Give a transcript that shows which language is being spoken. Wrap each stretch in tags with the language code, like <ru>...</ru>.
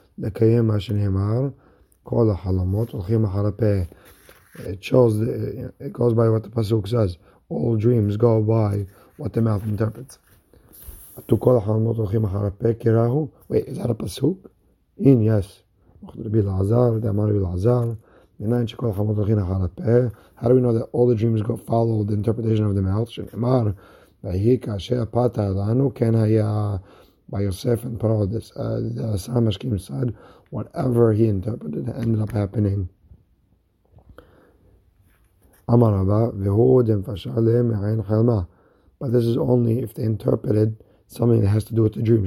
<he>לקיים מה שנאמר, כל החלומות הולכים אחר הפה.</he> <en>It goes by what the pasuk says. All dreams go by what the mouth interprets.</en> <he>To כל החלומות הולכים אחר הפה, קראו.</he> <en>Wait, is that a pasuk? In, yes.</en> <he>רבי אלעזר, דאמר רבי אלעזר. מניין שכל החלומות הולכים אחר הפה.</he> <en>How do we know that all the dreams go follow the interpretation of the mouth?</en> <he>שנאמר, והיא כאשר פתה לנו, כן היה...</he> <en>By Yosef and Parah, the Samashkim said, whatever he interpreted ended up happening. Amar Abba, Vehudim Fashalim, Ayin Chalma. But this is only if they interpreted something that has to do with the dream.</en>